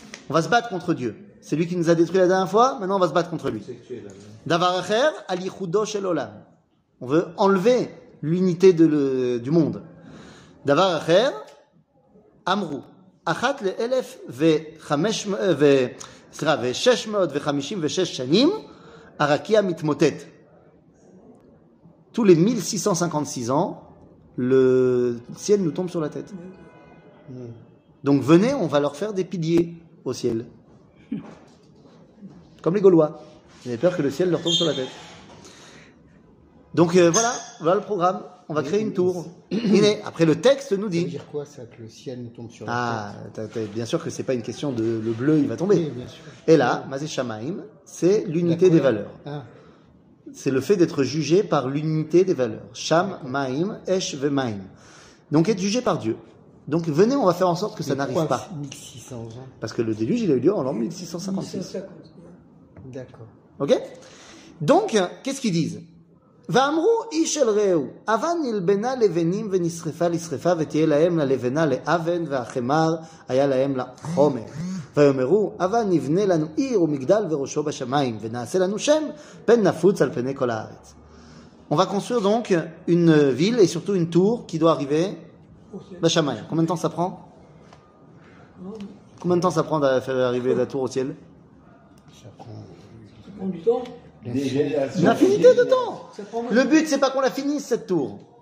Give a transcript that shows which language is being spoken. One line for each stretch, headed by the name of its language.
French: On va se battre contre Dieu. C'est lui qui nous a détruit la dernière fois, maintenant on va se battre contre lui.
Hebrew: Davar Acher Al Yichudo Shel Olam.
French: On veut enlever l'unité de le, du monde.
Hebrew: Davar Acher Amrou. אחת לאלף וחמש וסרה ושש מאות וחמישים ושש שנים הרקיע מתמוטט.
French: Tous les 1656 ans, le ciel nous tombe sur la tête. Donc venez, on va leur faire des piliers au ciel. Comme les Gaulois. Vous avez peur que le ciel leur tombe sur la tête. Donc voilà, voilà le programme. On va créer une tour. Et après, le texte nous dit. Ça veut dire quoi, ça, que le ciel nous tombe sur la tête? Ah, bien sûr que ce n'est pas une question de le bleu, il va tomber. Et là, Mazé Shamaïm, c'est l'unité des valeurs. C'est le fait d'être jugé par l'unité des valeurs. Sham, Maïm, Esh, Vemaïm. Donc, être jugé par Dieu. Donc, venez, on va faire en sorte que ça n'arrive pas. 1600 ans. Parce que le déluge, il a eu lieu en l'an 1656. D'accord. OK? Donc, qu'est-ce qu'ils disent?
Hebrew: ואמרו איש אל רעהו, אבן נלבנה לבנים ונשרפה לשרפה ותהיה להם ללבנה לאבן והחמר היה להם לחומר. ויאמרו, אבן נבנה לנו עיר ומגדל וראשו בשמיים ונעשה לנו שם פן נפוץ על פני כל הארץ.
French: On va construire donc une ville et surtout une tour qui doit arriver בשמיים. Combien de temps ça prend? Combien de temps ça prend à faire arriver la tour au ciel? Ça prend du temps. Une infinité de temps. Le but, c'est pas qu'on la finisse, cette tour.